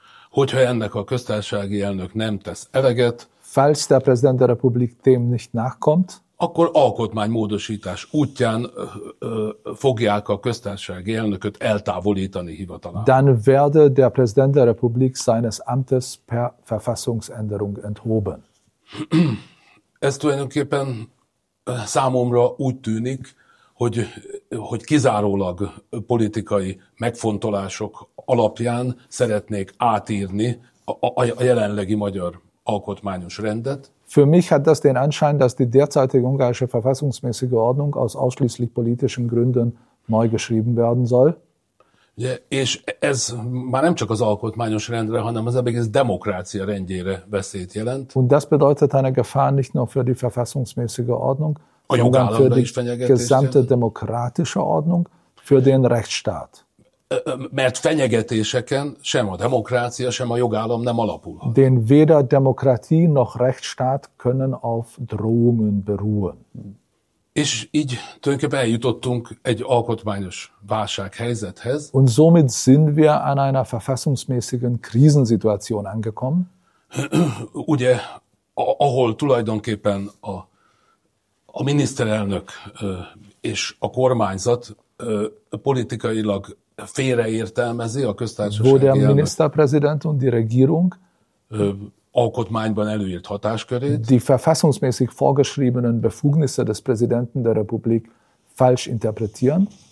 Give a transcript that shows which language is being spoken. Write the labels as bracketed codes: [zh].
[hu] hogyha ennek a köztársasági elnök nem tesz eleget, [de] falls der Präsident der Republik dem nicht nachkommt, [hu] akkor alkotmánymódosítás útján fogják a köztársasági elnököt eltávolítani hivatalából. [de] Dann werde der Präsident der Republik seines Amtes per Verfassungsänderung enthoben. [hu] Ez tulajdonképpen számomra úgy tűnik, hogy kizárólag politikai megfontolások alapján szeretnék átírni a jelenlegi magyar alkotmányos rendet. [de] Für mich hat das den Anschein, dass die derzeitige ungarische verfassungsmäßige Ordnung aus ausschließlich politischen Gründen neu geschrieben werden soll. [hu] Ja, és ez már nem csak az alkotmányos rendre, hanem az egész demokrácia rendjére veszélyt jelent. [de] Und das bedeutet eine Gefahr nicht nur für die verfassungsmäßige Ordnung, [hu] a jogállamra is fenyegetés. [de] Gesamte demokratische Ordnung für den Rechtsstaat. [hu] mert fenyegetéseken sem a demokrácia, sem a jogállam nem alapul. [de] Denn weder Demokratie noch Rechtsstaat können auf Drohungen beruhen. [hu] És így tulajdonképpen eljutottunk egy alkotmányos válsághelyzethez. [de] Und somit sind wir an einer verfassungsmäßigen Krisensituation angekommen. [hu] Ugye, ahol tulajdonképpen a miniszterelnök és a kormányzat politikailag félreértelmezi a köztársasági elnök. [de] Wo der Ministerpräsident und die Regierung [hu] alkotmányban előírt hatáskörét. [de] Die verfassungsmäßig vorgeschriebenen Befugnisse des Präsidenten der Republik falsch interpretieren.